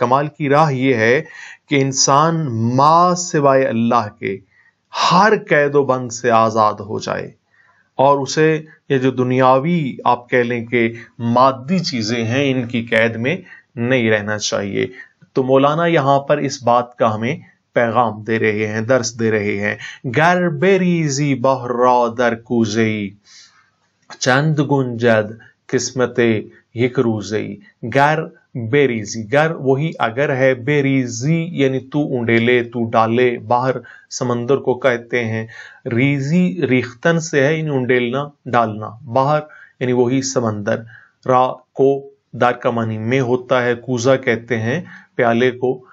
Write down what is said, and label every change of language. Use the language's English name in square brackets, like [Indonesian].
[Urdu] کمال کی راہ یہ ہے کہ انسان ماں سوائے اللہ کے ہر قید و بند سے آزاد ہو جائے، اور اسے یہ جو دنیاوی آپ کہہ لیں کہ مادی چیزیں ہیں ان کی قید میں نہیں رہنا چاہیے. تو مولانا یہاں پر اس بات کا ہمیں پیغام دے رہے ہیں، درس دے رہے ہیں. [Persian] گر بریزی بحر را در کوزی، چند گنجد قسمت یک روزی. [Urdu] گر بریزی، گر وہی اگر ہے، بریزی یعنی تو انڈیلے، تو ڈالے، باہر سمندر کو کہتے ہیں. ریزی ریختن سے ہے یعنی انڈیلنا، ڈالنا، باہر یعنی وہی سمندر. را کو دار کا معنی میں ہوتا ہے، کوزا کہتے ہیں پیالے کو.